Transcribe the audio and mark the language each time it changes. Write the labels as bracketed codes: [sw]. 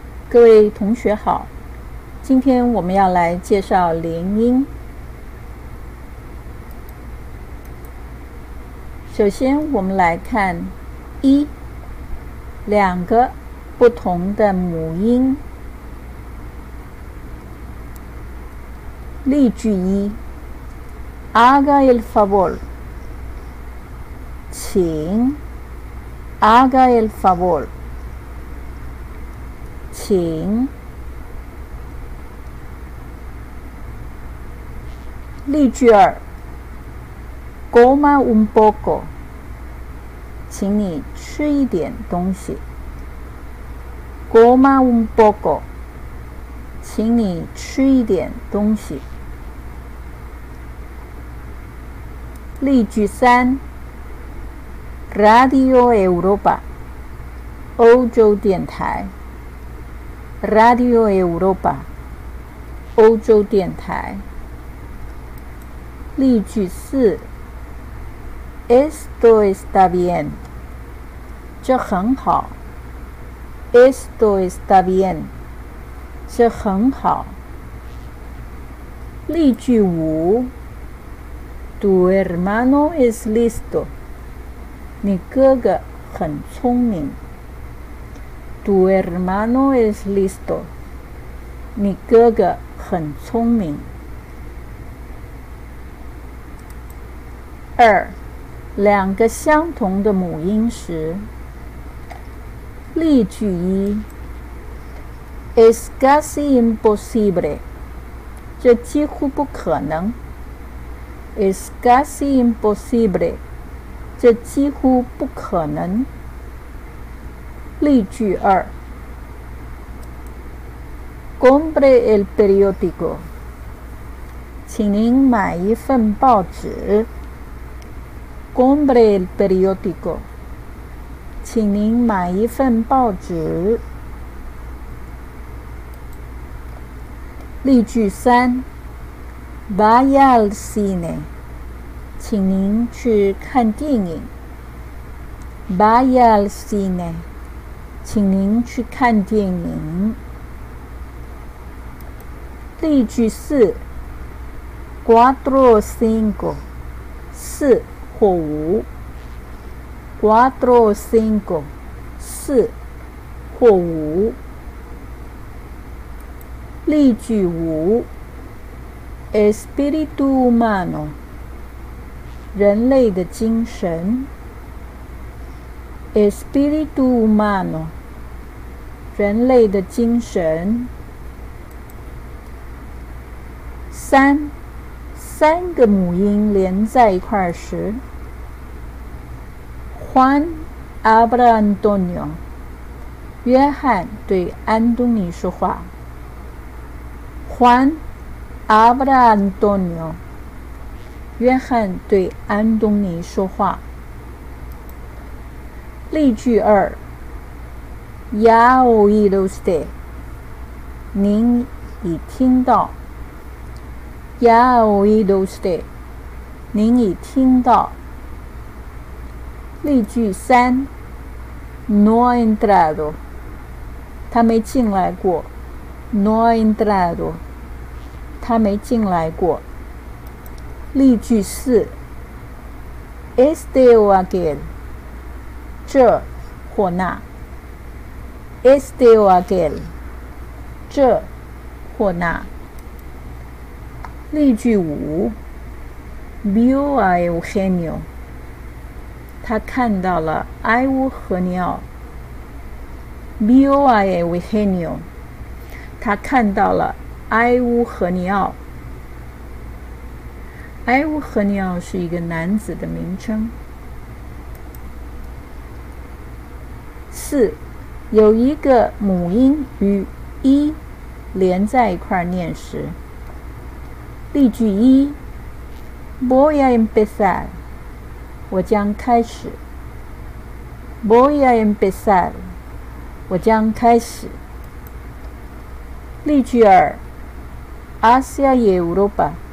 [zh] 各位同学好，今天我们要来介绍连音。首先我们来看一，两个不同的母音。例句一 [es] ,haga el favor, 请 ,haga el favor, 请。 [zh] 例句二 , [es] coma un poco, [zh] 请你吃一点东西。 [es] Coma un poco， [zh] 请你吃一点东西。例句三 ，Radio Europa， 欧洲电台。 Radio Europa， 欧洲电台。例句四 [es] ，Esto está bien。 [zh] 这很好 ， [es] esto está bien， [zh] 这很好。例句五 ， [es] tu hermano es listo， [zh] 你哥哥很聪明。 [es] tu hermano es listo， [zh] 你哥哥很聪明。二两个相同的母音时。例句一 ， [es] es casi imposible， [zh] 这几乎不可能。 [es] es casi imposible， [zh] 这几乎不可能。例句二 ， [es] compre el periódico， [zh] 请您买一份报纸。 [es] compre el periódico。 [zh] 请您买一份报纸。例句三 ： [es] Vaya al cine， [zh] 请您去看电影。 [es] Vaya al cine， [zh] 请您去看电影。例句四 ： [es] Cuatro cinco， [zh] 四或五。 [es] Cuatro cinco， [zh] 四或五。例句五 ， [es] espíritu humano， [zh] 人类的精神。 [es] espíritu humano， [zh] 人类的精神。三，三个母音连在一块时。 [es] Juan habla Antonio， [zh] 约翰对安东尼说话。 [es] Juan habla Antonio， [zh] 约翰对安东尼说话。例句二 ， [es] Ya oído usted， [zh] 您已听到。 [es] Ya oído usted， [zh] 您已听到。例句三 ， [es] no ha entrado， [zh] 他没进来过。 [es] no ha entrado， [zh] 他没进来过。例句四 ， [es] este o aquel， [zh] 这或那。 [es] este o aquel， [zh] 这或那。例句五 [es] ，vio a Eugenio。 [zh] 他看到了埃乌和尼奥 ， [es] vio a Eugenio。 [zh] 他看到了埃乌和尼奥。埃乌和尼奥是一个男子的名称。四，有一个母音与一连在一块念时。例句一 [es] ，voy a empezar。 [zh] 我将开始。 [es] Voy a empezar。 [zh] 我将开始。例句二 [es] ：Asia y Europa。